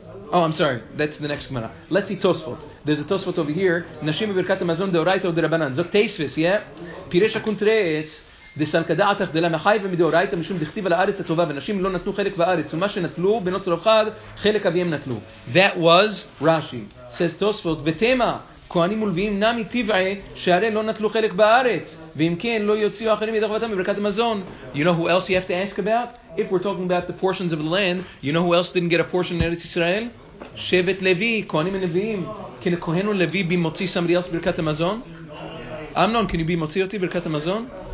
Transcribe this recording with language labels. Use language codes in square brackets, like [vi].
[en] Oh, I'm sorry, that's the next גמרא. Let's see תוספות. There's a תוספות over here. [he] נשים בברכת המזון דאורייתא או דרבנן. זאת תספס, yeah? פירש הקונטרס, דסלקדעתך דלה מחייב מדאורייתא משום דכתיב על הארץ הטובה ונשים לא נתנו חלק בארץ ומה שנטלו בנות צלופחד חלק אביהם נטלו. [en] That was Rashi. Says Tosfot, [he] ותמה כהנים ולוויים נמי טבעי שהרי לא נטלו חלק בארץ ואם כן לא יוציאו אחרים ידי חובתם בברכת המזון. [en] You know who else you have to ask about? If we're talking about the portions of the land, you know who else didn't get a portion in Eretz Israel? [he] שבט לוי, כהנים ולוויים. Can a כהן ולוי be מוציא [en] somebody else [he] ברכת המזון? [en] Amnon, can you be [he] מוציא אותי ברכת המזון?